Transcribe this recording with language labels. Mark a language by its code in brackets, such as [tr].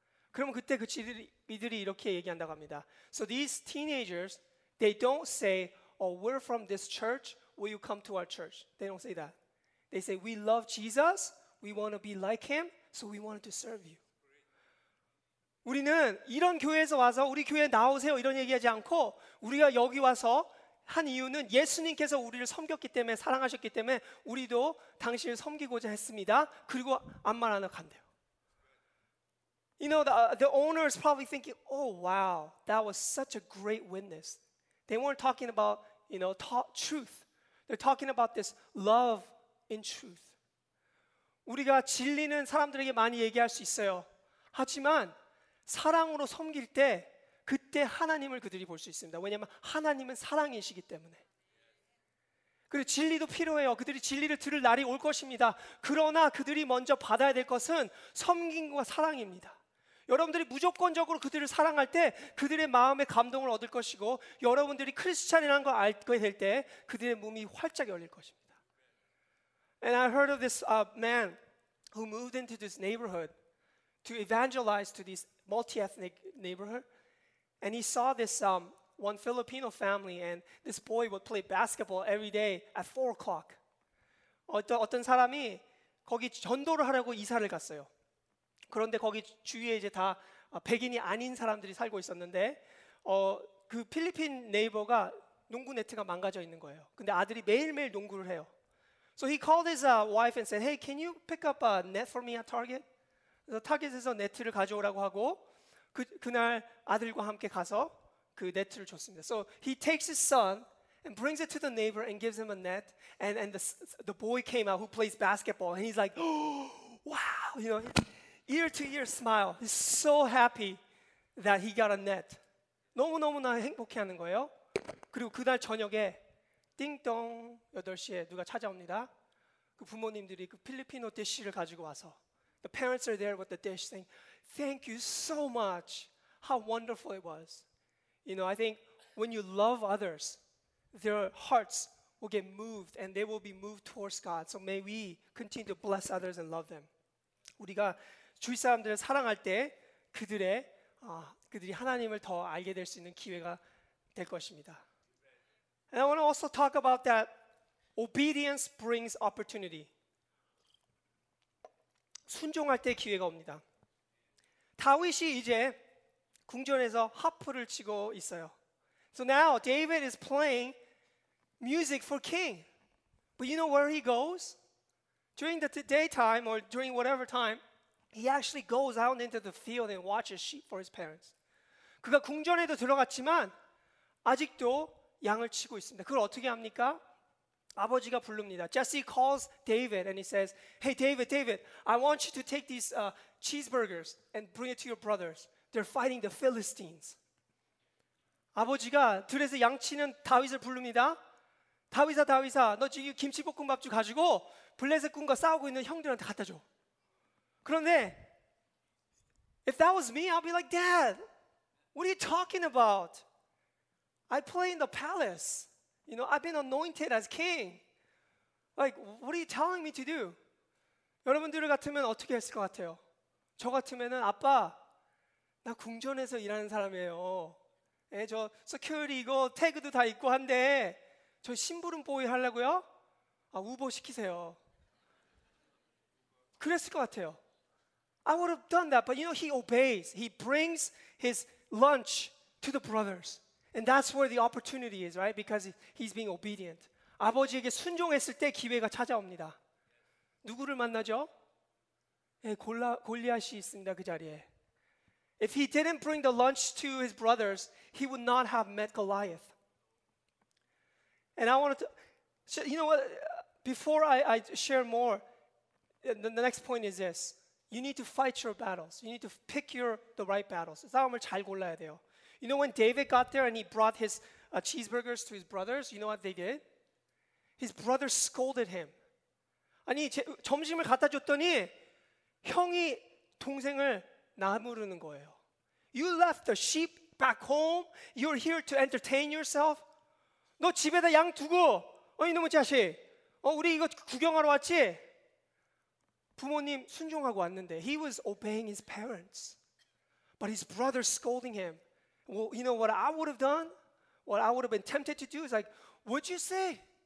[ko] 그러면 그때 그 지들이 이렇게 얘기한다고 합니다. [en] So these teenagers, they don't say, oh, we're from this church. Will you come to our church? They don't say that. They say, we love Jesus. We want to be like him. So we wanted to serve you. [ko] 우리는 이런 교회에서 와서 우리 교회에 나오세요 이런 얘기하지 않고 우리가 여기 와서 한 이유는 예수님께서 우리를 섬겼기 때문에 사랑하셨기 때문에 우리도 당신을 섬기고자 했습니다. 그리고 암말 안 하고 간대요. You know, the owner is probably thinking, oh, wow, that was such a great witness. They weren't talking about, you know, truth. They're talking about this love in truth. 우리가 진리는 사람들에게 많이 얘기할 수 있어요. 하지만 사랑으로 섬길 때 그때 하나님을 그들이 볼 수 있습니다. 왜냐하면 하나님은 사랑이시기 때문에. 그리고 진리도 필요해요. 그들이 진리를 들을 날이 올 것입니다. 그러나 그들이 먼저 받아야 될 것은 섬김과 사랑입니다. 여러분들이 무조건적으로 그들을 사랑할 때 그들의 마음의 감동을 얻을 것이고 여러분들이 크리스찬이라는 걸 알게 될 때 그들의 몸이 활짝 열릴 것입니다. [en] And I heard of this man who moved into this neighborhood to evangelize to this multi-ethnic neighborhood. And he saw this one Filipino family, and this boy would play basketball every day at 4 o'clock. [ko] 어떤 사람이 거기 전도를 하려고 이사를 갔어요. 그런데 거기 주위에 이제 다 백인이 아닌 사람들이 살고 있었는데 그 필리핀 네이버가 농구 네트가 망가져 있는 거예요. 근데 아들이 매일매일 농구를 해요. [en] So he called his wife and said, hey, can you pick up a net for me at Target? [ko] 그래서 타겟에서 네트를 가져오라고 하고 그날 아들과 함께 가서 그 네트를 줬습니다. [en] So he takes his son and brings it to the neighbor and gives him a net. And the boy came out who plays basketball. And he's like, oh, wow, you know, ear to ear smile. He's so happy that he got a net. [ko] 너무너무나 행복해하는 거예요. 그리고 그날 저녁에 띵동 8시에 누가 찾아옵니다. 그 부모님들이 그 필리핀어 디시를 가지고 와서 [en] The parents are there with the dish saying, Thank you so much. How wonderful it was. You know, I think when you love others, their hearts will get moved and they will be moved towards God. So may we continue to bless others and love them. [ko] 우리가 주위 사람들을 사랑할 때 그들의 그들이 하나님을 더 알게 될 수 있는 기회가 될 것입니다. [en] And I want to also talk about that obedience brings opportunity. [ko] 순종할 때 기회가 옵니다. 다윗이 이제 궁전에서 하프를 치고 있어요. [en] So now David is playing music for king. But you know where he goes? During the daytime or during whatever time, he actually goes out into the field and watches sheep for his parents. [ko] 그가 궁전에도 들어갔지만 아직도 양을 치고 있습니다. 그걸 어떻게 합니까? 아버지가 부릅니다. [en] Jesse calls David and he says, Hey David, David, I want you to take these cheeseburgers and bring it to your brothers. They're fighting the Philistines. [ko] 아버지가 들에서 양치는 다윗을 부릅니다. 다윗아, 다윗아, 너 지금 김치볶음밥 좀 가지고 블레셋 군과 싸우고 있는 형들한테 갖다 줘. 그런데 [en] If that was me, I'd be like, Dad, what are you talking about? I play in the palace. You know, I've been anointed as king. Like, what are you telling me to do? [ko] 여러분들 같으면 어떻게 했을 것 같아요? 저 같으면은 아빠, 나 궁전에서 일하는 사람이에요. 예, 저 security이고 태그도 다 있고 한데 저 심부름 보이 하려고요? 아, 우버 시키세요. 그랬을 것 같아요. [en] I would have done that, but you know, he obeys. He brings his lunch to the brothers. And that's where the opportunity is, right? Because he's being obedient. [ko] 아버지에게 순종했을 때 기회가 찾아옵니다. 누구를 만나죠? 예, 골리앗이 있습니다, 그 자리에. [en] If he didn't bring the lunch to his brothers, he would not have met Goliath. And I wanted to, you know what? Before I share more, the next point is this. You need to fight your battles. You need to pick the right battles. [ko] 싸움을 잘 골라야 돼요. [en] You know when David got there and he brought his cheeseburgers to his brothers, you know what they did? His brothers scolded him. [ko] 아니, 점심을 갖다 줬더니 형이 동생을 나무르는 거예요. [en] You left the sheep back home. You're here to entertain yourself. [ko] 너 집에다 양 두고, 이놈의 자식. 우리 이거 구경하러 왔지? 부모님 순종하고 왔는데. [en] He was obeying his parents. But his brothers scolding him. Well, you know what I would have done? What I would have been tempted to do is like, what'd you say?